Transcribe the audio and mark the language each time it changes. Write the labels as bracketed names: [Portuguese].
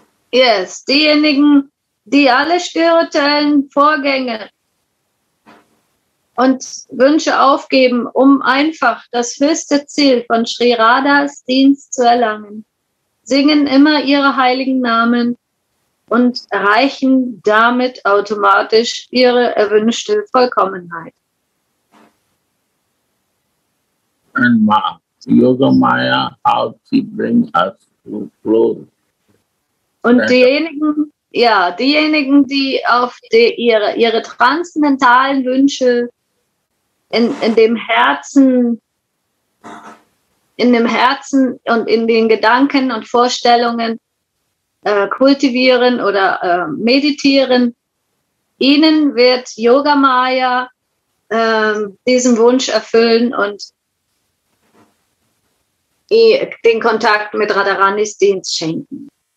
[German] Yes, diejenigen, die alle spirituellen Vorgänge und Wünsche aufgeben, um einfach das höchste Ziel von Sri Radhas Dienst zu erlangen, singen immer ihre heiligen Namen und erreichen damit automatisch ihre erwünschte Vollkommenheit. [English] And Ma, Yoga Maya, how she brings us to close. [German] Und diejenigen, ja, diejenigen, die auf die, ihre transzendentalen Wünsche in dem Herzen und in den Gedanken und Vorstellungen kultivieren oder meditieren, ihnen wird Yoga Maya diesen Wunsch erfüllen und den Kontakt mit Radharanis Dienst schenken.